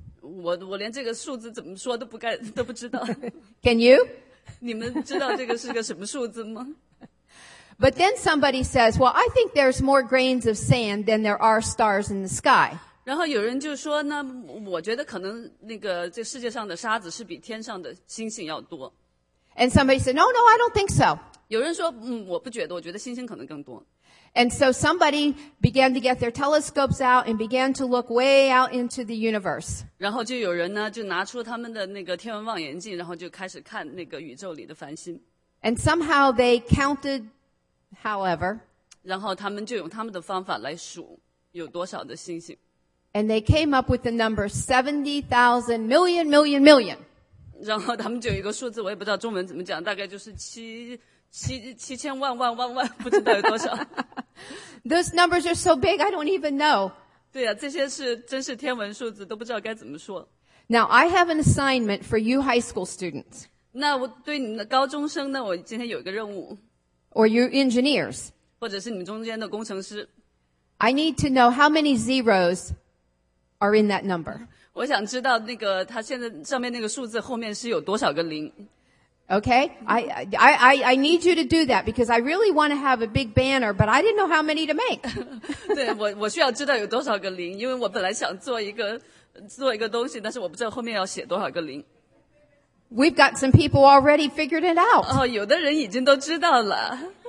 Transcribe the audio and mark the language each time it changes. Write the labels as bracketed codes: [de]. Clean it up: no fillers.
[zh] 我连这个数字怎么说都不知道。 [en] Can you? [zh] 你们知道这个是个什么数字吗？ [en] But then somebody says, well, I think there's more grains of sand than there are stars in the sky. [zh] 然后有人就说呢，我觉得可能那个这世界上的沙子是比天上的星星要多。 [en] And somebody said, no, I don't think so. [zh] 有人说，我不觉得，我觉得星星可能更多。 [en] And so somebody began to get their telescopes out and began to look way out into the universe. [zh] 然后就有人呢，就拿出他们的那个天文望远镜，然后就开始看那个宇宙里的繁星。 [en] And somehow they counted, however. [zh] 然后他们就用他们的方法来数有多少的星星。 [en] And they came up with the number 70,000 million, million, million. [zh] 然后他们就有一个数字，我也不知道中文怎么讲，大概就是七千万万万万，不知道有多少。 [en] Those numbers are so big, I don't even know. [zh] 对啊，这些是真是天文数字，都不知道该怎么说。 [en] Now, I have an assignment for you high school students. [zh] 那我对你们的高中生呢，我今天有一个任务。 [en] Or you engineers. [zh] 或者是你们中间的工程师。 [en] I need to know how many zeros are in that number. [zh] 我想知道那个它现在上面那个数字后面是有多少个零。 [en] Okay, I need you to do that because I really want to have a big banner, but I didn't know how many to make. [zh] 对，我需要知道有多少个零，因为我本来想做一个东西，但是我不知道后面要写多少个零。 [en] We've got some people already figured it out. [zh] 哦，有的人已经都知道了。